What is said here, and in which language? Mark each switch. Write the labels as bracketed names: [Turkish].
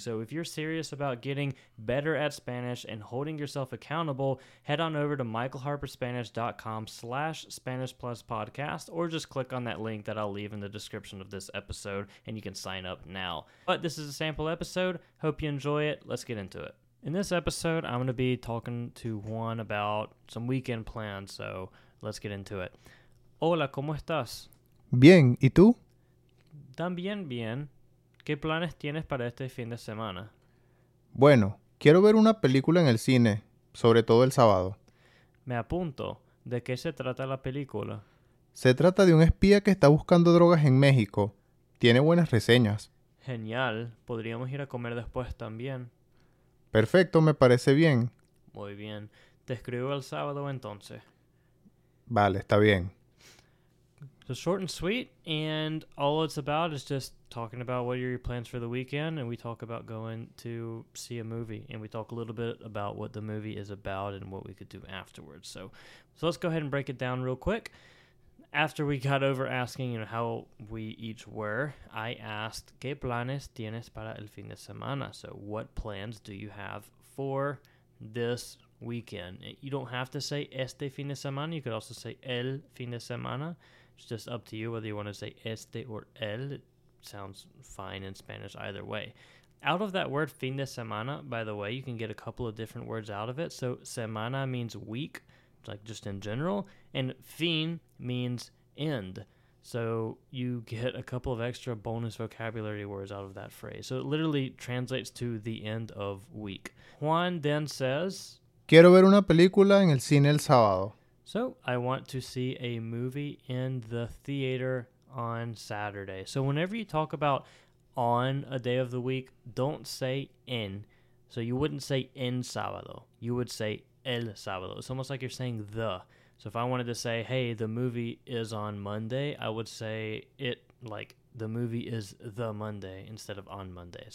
[English] So if you're serious about getting better at Spanish and holding yourself accountable, head on over to michaelharperspanish.com/Spanish Plus Podcast, or just click on that link that I'll leave in the description of this episode, and you can sign up now. But this is a sample episode. Hope you enjoy it. Let's get into it. In this episode, I'm going to be talking to Juan about some weekend plans, so let's get into it. [Spanish] Hola, ¿cómo estás? Bien, ¿y tú? También bien. ¿Qué planes tienes para este fin de semana? Bueno, quiero ver una película en el cine, sobre todo el sábado. Me apunto. ¿De qué se trata la película? Se trata de un espía que está buscando drogas en México. Tiene buenas reseñas. Genial. Podríamos ir a comer después también. Perfecto, me parece bien. Muy bien. Te escribo el sábado entonces. Vale, está bien. [English] So short and sweet, and all it's about is just talking about what are your plans for the weekend, and we talk about going to see a movie, and we talk a little bit about what the movie is about and what we could do afterwards. So let's go ahead and break it down real quick. After we got over asking, you know, how we each were, I asked, [Spanish] ¿Qué planes tienes para el fin de semana? [English] So what plans do you have for this weekend? You don't have to say [Spanish] este fin de semana. [English] You could also say [Spanish] el fin de semana. [English] It's just up to you whether you want to say este or el. It sounds fine in Spanish either way. Out of that word [Spanish] fin de semana, [English] by the way, you can get a couple of different words out of it. So semana means week, like just in general, and fin means end. So you get a couple of extra bonus vocabulary words out of that phrase. So it literally translates to the end of week. Juan then says, [Spanish] quiero ver una película en el cine el sábado. [English] So, I want to see a movie in the theater on Saturday. So, whenever you talk about on a day of the week, don't say en. So, you wouldn't say [Spanish] en sábado. [English] You would say [Spanish] el sábado. [English] It's almost like you're saying the. So, if I wanted to say, hey, the movie is on Monday, I would say it like the movie is the Monday instead of on Monday.